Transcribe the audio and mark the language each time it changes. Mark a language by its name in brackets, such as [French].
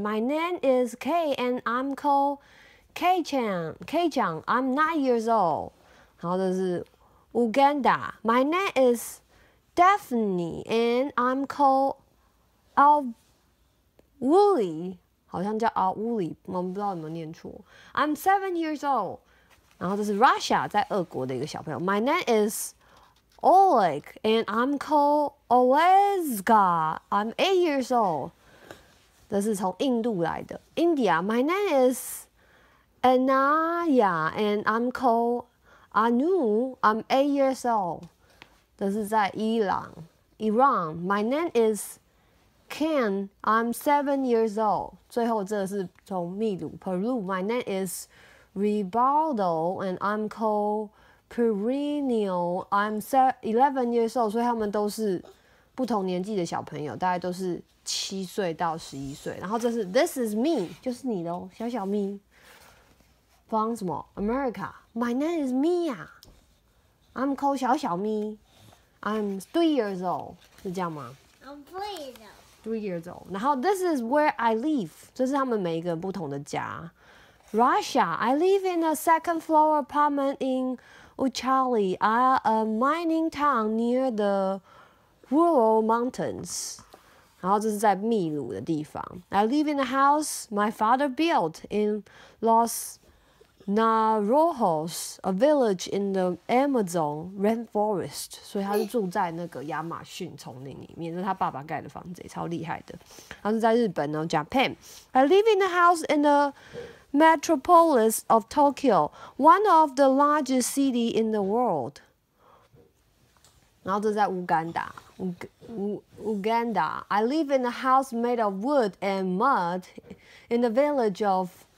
[English] My name is K and I'm called K-chan. I'm 9 years old. [Chinese] 然后这是 [English] Uganda. My name is Daphne and I'm called Alwuli. [Chinese] 好像叫阿乌里，我们不知道有没有念错。 [English] I'm 7 years old. [Chinese] 然后这是 Russia， 在俄国的一个小朋友。 [English] My name is Oleg and I'm called Olezga. I'm 8 years old. [Chinese] 这是从印度来的。 [English] India. My name is Anaya and I'm called Anu. I'm 8 years old. [Chinese] 这是在伊朗。 [English] Iran. My name is Can, I'm 7 years old. [Chinese] 最后这是从秘鲁 Peru. [English] My name is Ribaldo and I'm called Perennial. I'm 11 years old. [Chinese] 所以他们都是不同年纪的小朋友，大概都是7岁到11岁。然后这是 [English] This is me, [Chinese] 就是你咯，小小咪。From 什么 America. [English] My name is Mia. I'm called 小小咪。 I'm 3 years old. [Chinese] 是这样吗？ [English] I'm 3 years old. 3 years old. 然后 this is where I live. [Chinese] 这是他们每一个不同的家。 [English] Russia. I live in a second floor apartment in Uchali, a mining town near the Ural Mountains. [Chinese] 然后这是在秘鲁的地方。 [English] I live in a house my father built in Los Naranjos, a village in the Amazon rainforest. [Chinese] 所以他是住在那个亚马逊丛林里面，是他爸爸盖的房子，超厉害的。他是在日本哦 ，Japan. [English] I live in a house in the metropolis of Tokyo, one of the largest city in the world. [Chinese] 然后这是在乌干达 ，Uganda. [English] I live in a house made of wood and mud in the village of.